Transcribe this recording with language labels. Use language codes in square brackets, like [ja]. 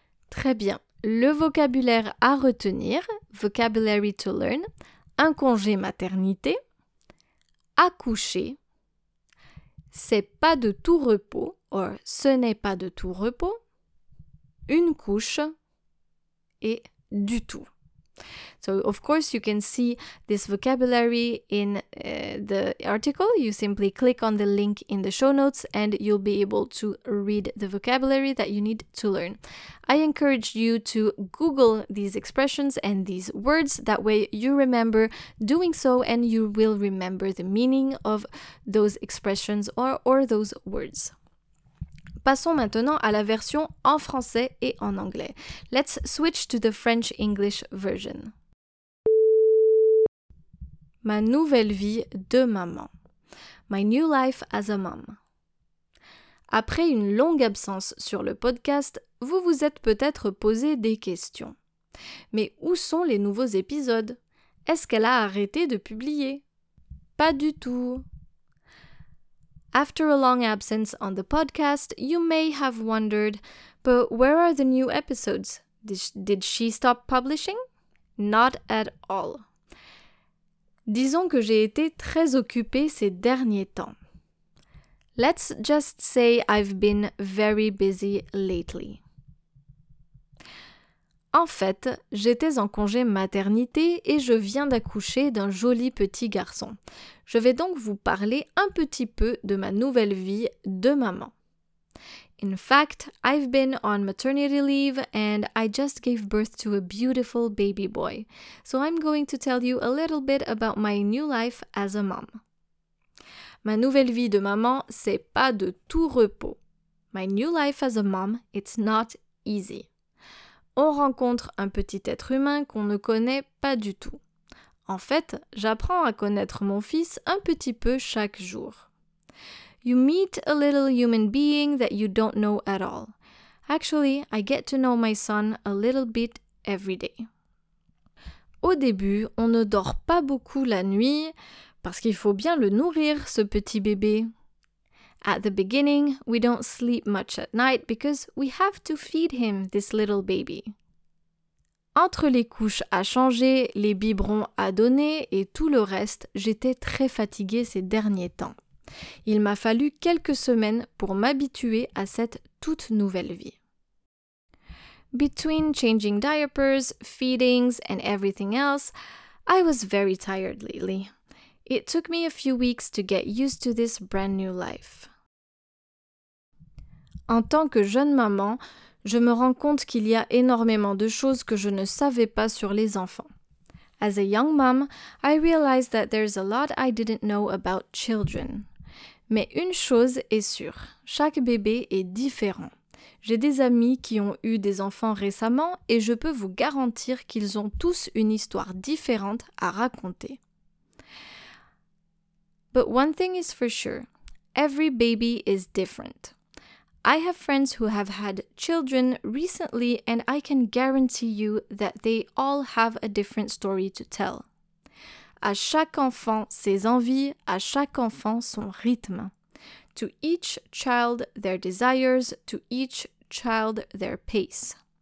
[fr] Très bien. Le vocabulaire à retenir, [en] vocabulary to learn, [fr] un congé maternité, accoucher, c'est pas de tout repos, or ce n'est pas de tout repos, une couche et du tout. [en] So of course you can see this vocabulary in the article. You simply click on the link in the show notes and you'll be able to read the vocabulary that you need to learn. I encourage you to Google these expressions and these words. That way you remember doing so and you will remember the meaning of those expressions or those words. [fr] Passons maintenant à la version en français et en anglais. [en] Let's switch to the French-English version. [fr] Ma nouvelle vie de maman. [en] My new life as a mom. [fr] Après une longue absence sur le podcast, vous vous êtes peut-être posé des questions. Mais où sont les nouveaux épisodes? Est-ce qu'elle a arrêté de publier? Pas du tout! [en] After a long absence on the podcast, you may have wondered, but where are the new episodes? Did she stop publishing? Not at all. [fr] Disons que j'ai été très occupée ces derniers temps. [en] Let's just say I've been very busy lately. [fr] En fait, j'étais en congé maternité et je viens d'accoucher d'un joli petit garçon. Je vais donc vous parler un petit peu de ma nouvelle vie de maman. [en] In fact, I've been on maternity leave and I just gave birth to a beautiful baby boy. So I'm going to tell you a little bit about my new life as a mom. [fr] Ma nouvelle vie de maman, c'est pas de tout repos. [en] My new life as a mom, it's not easy. [fr] On rencontre un petit être humain qu'on ne connaît pas du tout. En fait, j'apprends à connaître mon fils un petit peu chaque jour. [en] You meet a little human being that you don't know at all. Actually, I get to know my son a little bit every day. [fr] Au début, on ne dort pas beaucoup la nuit parce qu'il faut bien le nourrir, ce petit bébé. [en] At the beginning, we don't sleep much at night because we have to feed him, this little baby. [fr] Entre les couches à changer, les biberons à donner et tout le reste, j'étais très fatiguée ces derniers temps. Il m'a fallu quelques semaines pour m'habituer à cette toute nouvelle vie. [en] Between changing diapers, feedings and everything else, I was very tired lately. It took me a few weeks to get used to this brand new life. [fr] En tant que jeune maman, je me rends compte qu'il y a énormément de choses que je ne savais pas sur les enfants. [en] As a young mom, I realize that there's a lot I didn't know about children. [fr] Mais une chose est sûre, chaque bébé est différent. J'ai des amis qui ont eu des enfants récemment et je peux vous garantir qu'ils ont tous une histoire différente à raconter. [en] But one thing is for sure, every baby is different. I have friends who have had children recently and I can guarantee you that they all have a different story to tell. [fr] À chaque enfant, ses envies, à chaque enfant, son rythme. [en] To each child, their desires, to each child, their pace.